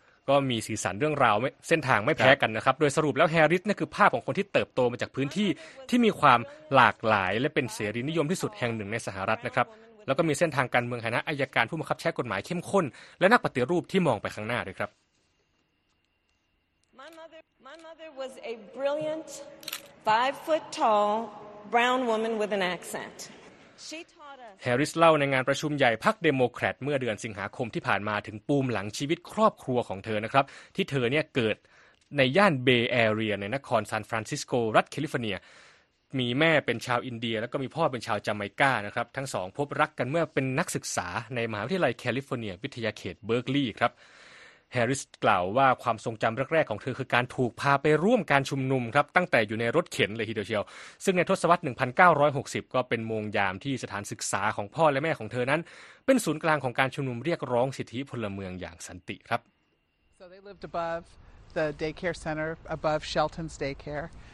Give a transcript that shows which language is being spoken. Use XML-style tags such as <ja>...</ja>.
<th>ก็มีสีสันเรื่องราวเส้นทางไม่แพ้กันนะครับโดยสรุปแล้วแฮร์ริสนี่คือภาพของคนที่เติบโตมาจากพื้นที่ที่มีความหลากหลายและเป็นเสรีนิยมที่สุดแห่งหนึ่งในสหรัฐนะครับแล้วก็มีเส้นทางการเมืองฐานะอัยการผู้บังคับใช้กฎหมายเข้มข้นและนักปฏิรูปที่มองไปข้างหน้าด้วยครับ</th> <en>My mother was a brilliant 5 foot tall brown woman with an accent</en> <th>แฮร์ริสเล่าในงานประชุมใหญ่พรรคเดโมแครตเมื่อเดือนสิงหาคมที่ผ่านมาถึงปูมหลังชีวิตครอบครัวของเธอนะครับที่เธอเนี่ยเกิดในย่านเบย์แอเรียในนครซานฟรานซิสโกรัฐแคลิฟอร์เนีย มีแม่เป็นชาวอินเดียแล้วก็มีพ่อเป็นชาวจาเมกานะครับทั้งสองพบรักกันเมื่อเป็นนักศึกษาในมหาวิทยาลัยแคลิฟอร์เนียวิทยาเขตเบิร์กลีย์ครับแฮร์ริสกล่าวว่าความทรงจำแรกๆของเธอคือการถูกพาไปร่วมการชุมนุมครับตั้งแต่อยู่ในรถเข็นเลยทีเดียวซึ่งในทศวรรษ1960ก็เป็นโมงยามที่สถานศึกษาของพ่อและแม่ของเธอนั้นเป็นศูนย์กลางของการชุมนุมเรียกร้องสิทธิพลเมืองอย่างสันติครับ</th> <en>So they lived above the daycare center above Shelton's daycare</en>